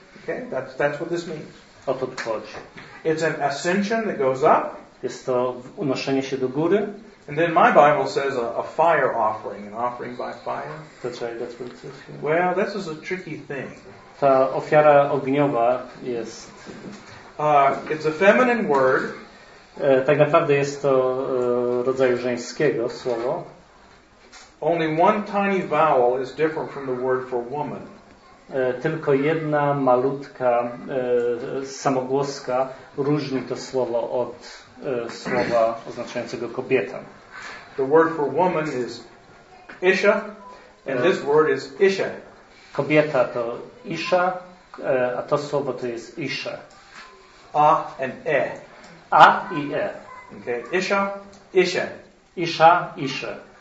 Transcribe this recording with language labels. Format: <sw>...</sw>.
<en>Okay, that's what this means.</en> <pl>O to tu chodzi.</pl> <en>It's an ascension that goes up.</en> <pl>Jest to unoszenie się do góry.</pl> <en>And then my Bible says a fire offering, an offering by fire. That's right, that's what it says. Yeah. Well, this is a tricky thing.</en> <pl>Ta ofiara ogniowa jest...</pl> <en>It's a feminine word.</en> <pl>Tak naprawdę jest to rodzaju żeńskiego słowo.</pl> <en>Only one tiny vowel is different from the word for woman.</en> <pl>Tylko jedna malutka samogłoska różni to słowo od słowa oznaczającego kobietę.</pl> <en>The word for woman is Isha, and this word is Isha.</en> <pl>Kobieta to Isha, a to słowo to jest Isha.</pl> <en>A and E.</en> <pl>A i E.</pl> <en>Okay. Isha, Isha.</en> <he>Isha, Isha.</he>